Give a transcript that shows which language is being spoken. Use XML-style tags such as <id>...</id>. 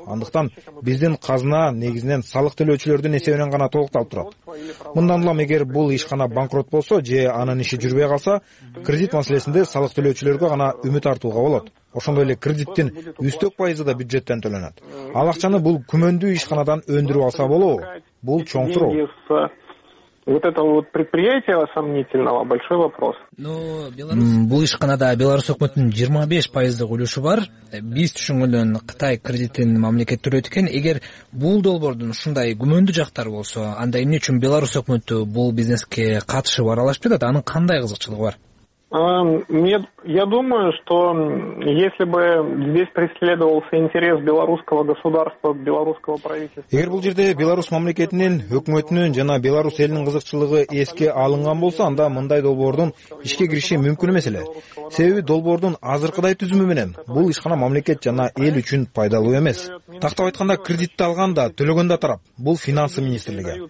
<ky>Андыктан биздин казна негизинен салык төлөөчүлөрдүн эсебинен гана толукталып турат. Мындан улам эгер бул ишкана банкрот болсо же анын иши жүрбөй калса, кредит маселесинде салык төлөөчүлөргө гана үмүт артууга болот. Ошондой эле кредиттин 100% да бюджеттен төлөнөт. Ал акчаны бул күмөндүү ишканадан өндүрүп алса болобу? Бул чоң суроо.</ky> <ru>Вот это вот предприятие сомнительного, большой вопрос.</ru> <ky>Бул ишканада Беларусь өкмөтүнүн 25% үлүшү бар. Биз түшүнгөндөн Кытай кредитин мамлекет төлөйт экен. Эгер бул долбоордун ушундай күмөндүү жактары болсо, анда эмне үчүн Беларусь өкмөтү бул бизнеске катышып аралашып жатат? Анын кандай кызыкчылыгы бар?</ky> <ru>Я думаю, что если бы здесь преследовался интерес белорусского государства, белорусского правительства...</ru> <ky>Егер бул жерде Беларусь мамлекетинин, өкмөтүнүн жана Беларусь элинин кызыкчылыгы эске алынган болсо, анда мындай долбоордун ишке кириши мүмкүн эмес эле. Себеби долбоордун азыркыдай түзүмү менен бул ишкана мамлекет жана эл үчүн пайдалуу эмес. Тактап айтканда, кредитти алган да, төлөгөн да тарап, бул финансы министрлиги.</ky>